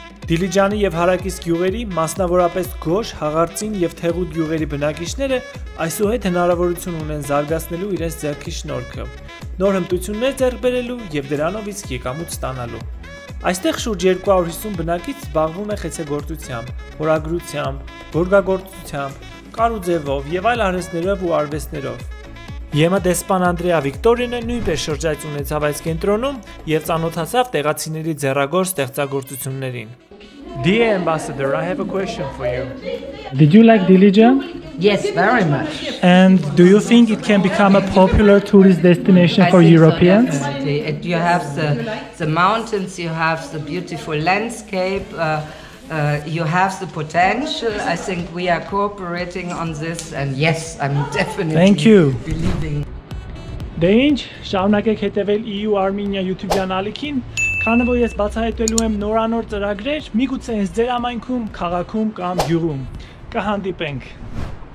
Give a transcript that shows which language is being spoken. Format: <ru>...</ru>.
<hy>Դիլիջանի եւ հարակից գյուղերի, մասնավորապես Գոշ, Հաղարծին եւ Թեղուտ գյուղերի բնակիչները այսուհետ հնարավորություն ունեն զարգացնելու իրենց ձեռքի շնորհքը, նոր հմտություններ ձեռք բերելու եւ դրանովից եկամուտ ստանալու։ Այստեղ շուրջ 250 բնակից զբաղվում է խեցեգործությամբ, հորագրությամբ, գորգագործությամբ, կարուձևով եւ այլ արհեստներով ու արվեստներով։ ԵՄ-ի դեսպան Անդրեա Վիկտորինը նույնպես շրջայց ունեցավ այս կենտրոնում եւ ծանոթացավ տեղացիների ձեռագործ ստեղծագործություններին։</hy> <en>Dear ambassador, I have a question for you. Did you like Dilijan? Yes, very much. And do you think it can become a popular tourist destination for Europeans? So you have the mountains, you have the beautiful landscape, you have the potential. I think we are cooperating on this, and yes, I'm definitely Thank you. believing.</en> <hy>Դե ինչ, շարունակեք հետևել EU Armenia YouTube-յան ալիքին քանի որ ես բացահայտելու եմ նորանոր ծրագրեր, միգուցե ես ձեր ամայնքում, քաղաքում կամ գյուղում կհանդիպենք։</hy>